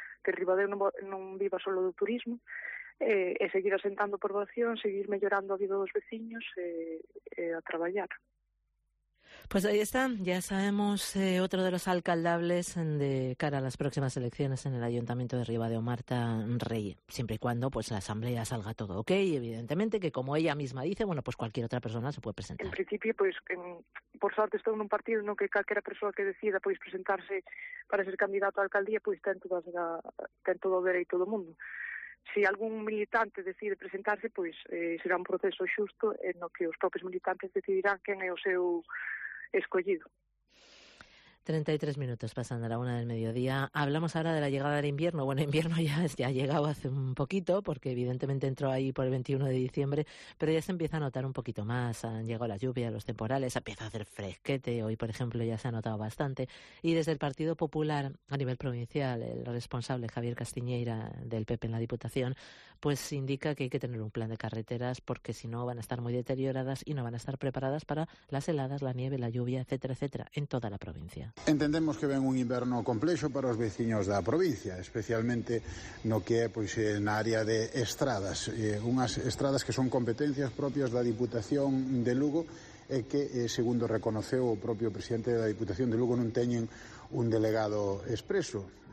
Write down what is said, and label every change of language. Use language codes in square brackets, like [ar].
[gl] Que Ribadeo non viva só do turismo. E seguir asentando poboación, seguir mellorando a vida dos veciños a traballar. [es] Pues ahí está, ya sabemos, otro de los alcaldables de cara a las próximas elecciones en el Ayuntamiento de Ribadeo, Marta Rey, siempre y cuando pues la asamblea salga todo ok, evidentemente, que como ella misma dice, bueno, pues cualquier otra persona se puede presentar. En principio, pues por suerte estoy en un partido, ¿no?, que cualquier persona que decida pues presentarse para ser candidato a alcaldía, pues [gl] ten todo derecho todo mundo. Si algún militante decide presentarse, pois será un proceso xusto en o que os propios militantes decidirán quen é o seu escollido. [es] 33 minutos pasando a la 1:00 p.m. Hablamos ahora de la llegada del invierno. Bueno, invierno ya ha llegado hace un poquito, porque evidentemente entró ahí por el 21 de diciembre, pero ya se empieza a notar un poquito más. Han llegado las lluvias, los temporales, empieza a hacer fresquete. Hoy, por ejemplo, ya se ha notado bastante. Y desde el Partido Popular, a nivel provincial, el responsable Javier Castiñeira, del PP en la Diputación, pues indica que hay que tener un plan de carreteras, porque si no van a estar muy deterioradas y no van a estar preparadas para las heladas, la nieve, la lluvia, etcétera, etcétera, en toda la provincia. [gl] Entendemos que ven un inverno complexo para os veciños da provincia, especialmente no que é pois na área de estradas, unhas estradas que son competencias propias da Diputación de Lugo e que, segundo reconoceu o propio presidente da Diputación de Lugo, non teñen un delegado expreso.